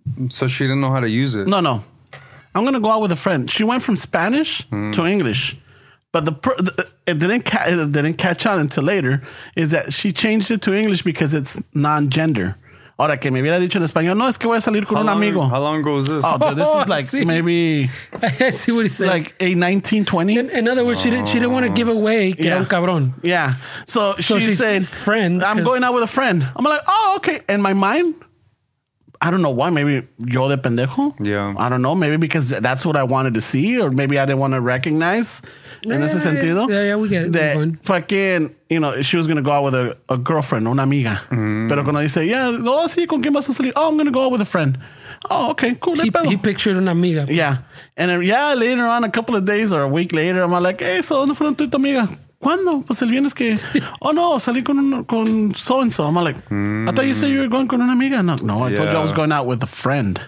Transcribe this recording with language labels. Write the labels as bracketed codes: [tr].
[en] So she didn't know how to use it. No. I'm going to go out with a friend. She went from Spanish to English. But it didn't catch on until later is that she changed it to English because it's non-gender. [es] Ahora que me hubiera dicho en español, no, es que voy a salir con un amigo. [en] How long ago was this? Oh, dude, this is like maybe... I see what he's saying. Like a 1920? In other words, she didn't want to give away [es] que era un cabrón. [en] Yeah. So she said, friend. I'm going out with a friend. I'm like, oh, okay. In my mind, I don't know why. [es] Maybe yo de pendejo. [en] Yeah. I don't know. Maybe because that's what I wanted to see or maybe I didn't want to recognize. [es] En ese sentido. [en] Yeah, we get it. Fucking, you know, she was going to go out with a girlfriend, [es] una amiga. [en] Mm. [es] Pero cuando dice, yeah, oh, sí, ¿con quién vas a salir? [en] Oh, I'm going to go out with a friend. Oh, okay, cool. He pictured [es] una amiga. Pues. [en] Yeah. And then, yeah, later on, a couple of days or a week later, I'm like, hey, so, [es] ¿dónde fueron tú y tu amiga? ¿Cuándo? Pues el viernes que... Oh, no, salí con so-and-so. [en] I'm like, I thought you said you were going [es] con una amiga. [en] No, I told you I was going out with a friend.